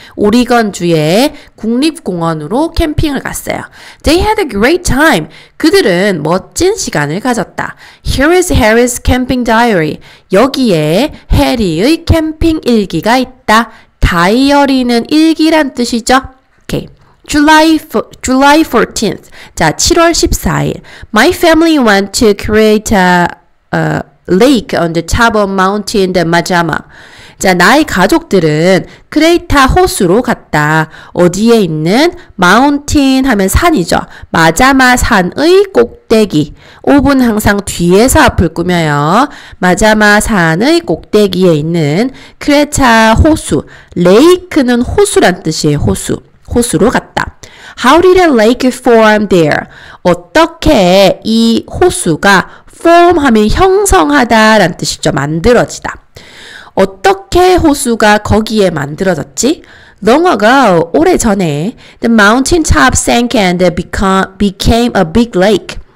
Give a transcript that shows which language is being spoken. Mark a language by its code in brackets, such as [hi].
[ko] 오리건주의 국립공원으로 캠핑을 갔어요. [en] They had a great time. [ko] 그들은 멋진 시간을 가졌다. [en] Here is Harry's camping diary. [ko] 여기에 해리의 캠핑 일기가 있다. 다이어리는 일기란 뜻이죠. [en] Okay. July 14th. [ko] 자, 7월 14일. [en] My family went to create a Lake on the top of mountain, the Majama. [ko] 자, 나의 가족들은 크레이타 호수로 갔다. 어디에 있는? Mountain 하면 산이죠. 마자마 산의 꼭대기. 5분 항상 뒤에서 앞을 꾸며요. 마자마 산의 꼭대기에 있는 크레타 호수. 레이크는 호수란 뜻이에요. 호수. 호수로 갔다. [en] How did a lake form there? [ko] 어떻게 이 호수가 form 하면 형성하다란 뜻이죠. 만들어지다. 어떻게 호수가 거기에 만들어졌지? [en] Long ago, [ko] 오래전에, [en] the mountain top sank and became a big lake.